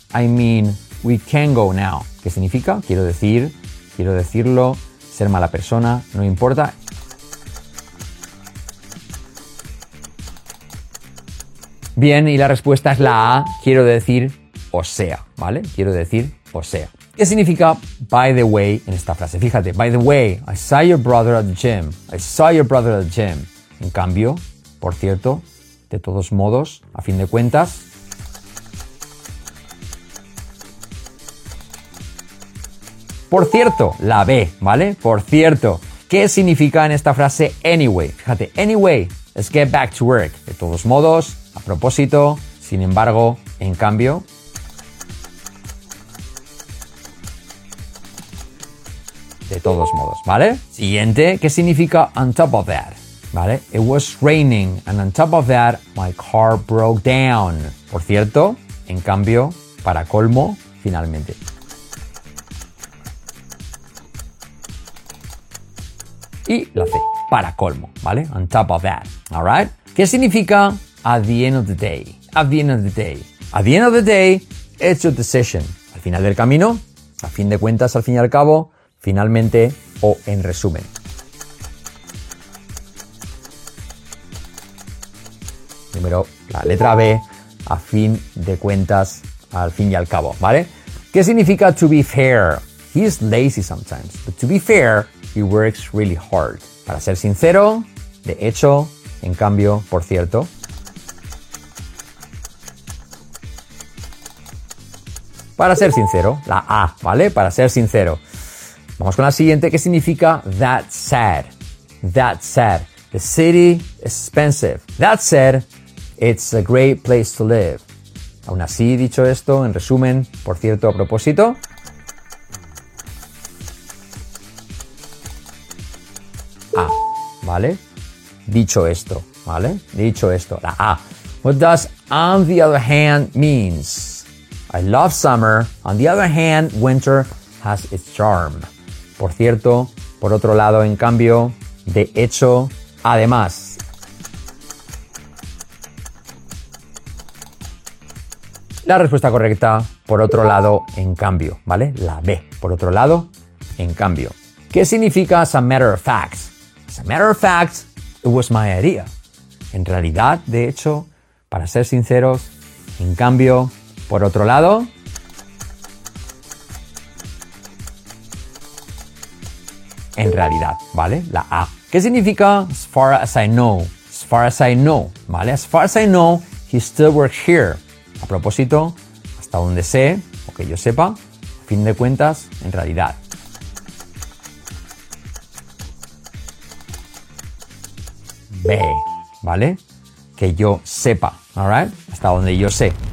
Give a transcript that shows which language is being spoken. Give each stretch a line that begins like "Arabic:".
English: I mean, we can go now.
Spanish: ¿Qué significa? Quiero decir, quiero decirlo, ser mala persona, no importa. Bien, y la respuesta es la A, quiero decir, o sea, ¿vale? Quiero decir, o sea. ¿Qué significa by the way en esta frase?
English: Fíjate, by the way, I saw your brother at the gym. I saw your brother at the gym.
Spanish: En cambio, por cierto, de todos modos, a fin de cuentas, por cierto, la B, ¿vale? Por cierto, ¿qué significa en esta frase anyway? Fíjate,
English: anyway, let's get back to work.
Spanish: De todos modos, a propósito, sin embargo, en cambio. De todos modos, ¿vale? Siguiente, ¿qué significa on top of that? ¿Vale?
English: It was raining and on top of that, my car broke down.
Spanish: Por cierto, en cambio, para colmo, finalmente. Y la C, para colmo, ¿vale? On top of that, ¿alright? ¿Qué significa
English: at the end of the day? At the end of the day. At the end of the day, it's your decision.
Spanish: Al final del camino, a fin de cuentas, al fin y al cabo, finalmente o en resumen. Número, la letra B, a fin de cuentas, al fin y al cabo, ¿vale? ¿Qué significa to be fair?
English: He is lazy sometimes, but to be fair, he works really hard.
Spanish: Para ser sincero, de hecho, en cambio, por cierto. Para ser sincero, la A, ¿vale? Para ser sincero. Vamos con la siguiente. ¿Qué significa
English: that sad? That sad. The city is expensive. That said, it's a great place to live.
Spanish: Aún así, dicho esto, en resumen, por cierto, a propósito. ¿Vale? Dicho esto, ¿vale? Dicho esto, la A.
English: What does on the other hand means? I love summer. On the other hand, winter has its charm.
Spanish: Por cierto, por otro lado, en cambio, de hecho, además. La respuesta correcta, por otro lado, en cambio, ¿vale? La B. Por otro lado, en cambio. ¿Qué significa as a matter of fact? As a matter of fact, it was my idea. En realidad, de hecho, para ser sinceros, en cambio, por otro lado, en realidad, ¿vale? La A. ¿Qué significa
English: as far as I know? As far as I know, ¿vale? As far as I know, he still works here.
Spanish: A propósito, hasta donde sé, o que yo sepa, a fin de cuentas, en realidad. B, ¿vale? Que yo sepa, ¿alright? Hasta donde yo sé.